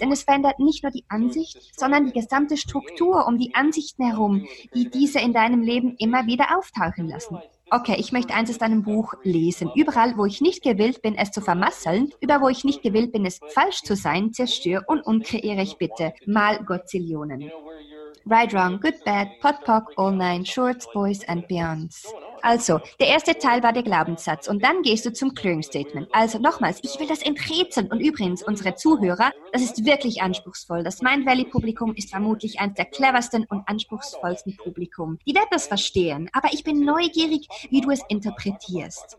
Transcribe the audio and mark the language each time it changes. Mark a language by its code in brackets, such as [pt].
[de] Denn es verändert nicht nur die Ansicht, sondern die gesamte Struktur um die Ansichten herum, die diese in deinem Leben immer wieder auftauchen lassen. Okay, ich möchte eins aus deinem Buch lesen. Überall, wo ich nicht gewillt bin, es zu vermasseln, über wo ich nicht gewillt bin, es falsch zu sein, zerstöre und unkreiere ich bitte mal Godzillionen. [en] Right, wrong, good, bad, potpock, all 9, shorts, boys and beyonds. [de] Also, der erste Teil war der Glaubenssatz und dann gehst du zum Clearing Statement. Also nochmals, ich will das enträtseln und übrigens, unsere Zuhörer, das ist wirklich anspruchsvoll. Das Mindvalley-Publikum ist vermutlich eines der cleversten und anspruchsvollsten Publikum. Die werden das verstehen, aber ich bin neugierig, wie du es interpretierst.